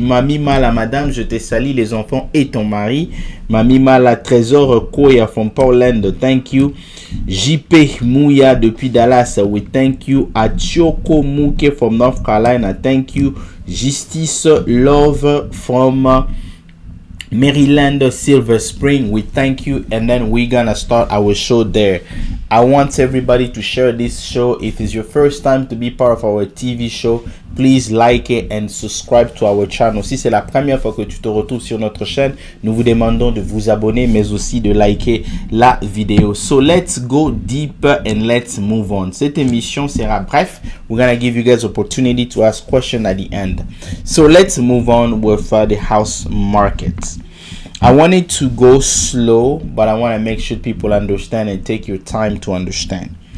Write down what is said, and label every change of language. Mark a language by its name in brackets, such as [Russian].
[French] Mami Mala, madame, je te salue, les enfants et ton mari. [English] Mami Mala, Trésor Koya from Portland, thank you. JP Mouya depuis Dallas, we thank you. Achoko Muke from North Carolina, thank you. Justice Love from Maryland Silver Spring, we thank you. And then we're gonna start our show there. I want everybody to share this show. If it's your first time to be part of our TV show, please like it and subscribe to our channel. [French] Si c'est la première fois que tu te retrouves sur notre chaîne, nous vous demandons de vous abonner, mais aussi de liker la vidéo. [English] So let's go deep and let's move on. [French] Cette émission sera bref. [English] We're gonna give you guys opportunity to ask questions at the end. So let's move on with the house market. I wanted to go slow, but I want to make sure people understand and take your time to understand.